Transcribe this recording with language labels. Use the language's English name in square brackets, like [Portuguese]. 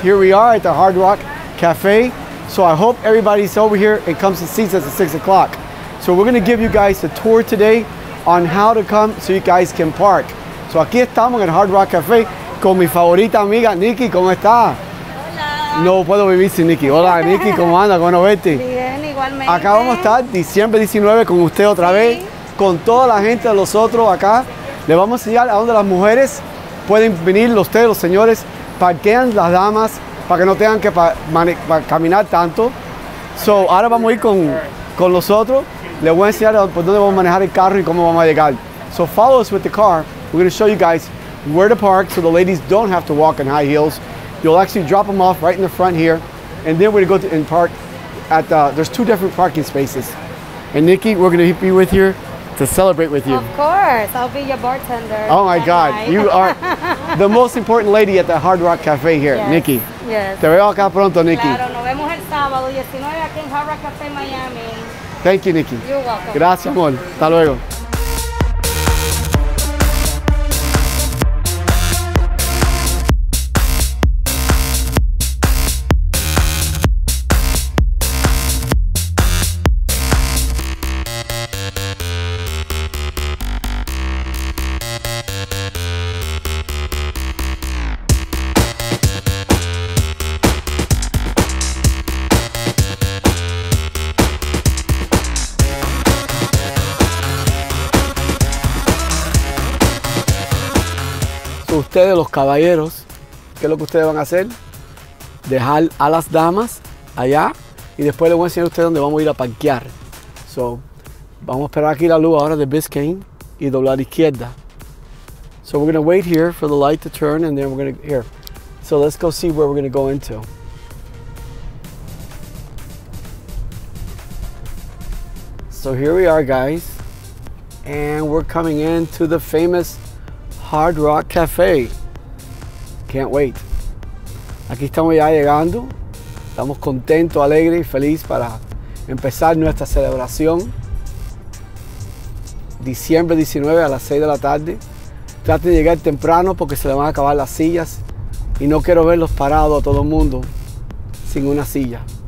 [English] Here we are at the Hard Rock Cafe. So I hope everybody's over here and comes to see us at 6 o'clock. So we're going to give you guys a tour today on how to come so you guys can park. [Spanish] So aquí estamos en Hard Rock Cafe con mi favorita amiga, Nikki. ¿Cómo está? Hola. No puedo vivir sin Nikki. Hola, Nikki. ¿Cómo anda? ¿Cómo no vete? Bien, igualmente. Acá vamos a estar diciembre 19 con usted otra vez, con toda la gente de los otros acá. Le vamos a enseñar a donde las mujeres pueden venir, ustedes, los señores, parquean las damas para que no tengan que caminar tanto. So, ahora vamos a ir con los otros. Les voy a enseñar por dónde vamos a manejar el carro y cómo vamos a llegar. [English] So, follow us with the car. We're going to show you guys where to park so the ladies don't have to walk in high heels. You'll actually drop them off right in the front here. And then we're going to go and park at the, there's two different parking spaces. And Nikki, we're going to be with you to celebrate with you. Of course, I'll be your bartender. Oh my God, you are the most important lady at the Hard Rock Cafe here, yes. Nikki. Yes. [Spanish] Te veo acá pronto, Nikki. Claro, nos vemos el sábado 19 aquí en Hard Rock Cafe, Miami. [English] Thank you, Nikki. You're welcome. [Spanish] Gracias, amor. Hasta luego. Ustedes, los caballeros, ¿qué es lo que ustedes van a hacer? Dejar a las damas allá y después les voy a enseñar a ustedes dónde vamos a ir a parquear. So, vamos a esperar aquí la luz ahora de Biscayne y doblar izquierda. [English] So, we're going to wait here for the light to turn and then we're going to, here. So, let's go see where we're going to go into. So, here we are, guys. And we're coming into the famous Hard Rock Cafe. Can't wait. [Spanish] Aquí estamos ya llegando. Estamos contentos, alegres y felices para empezar nuestra celebración. Diciembre 19 a las 6 de la tarde. Traten de llegar temprano porque se le van a acabar las sillas. Y no quiero verlos parados a todo el mundo sin una silla.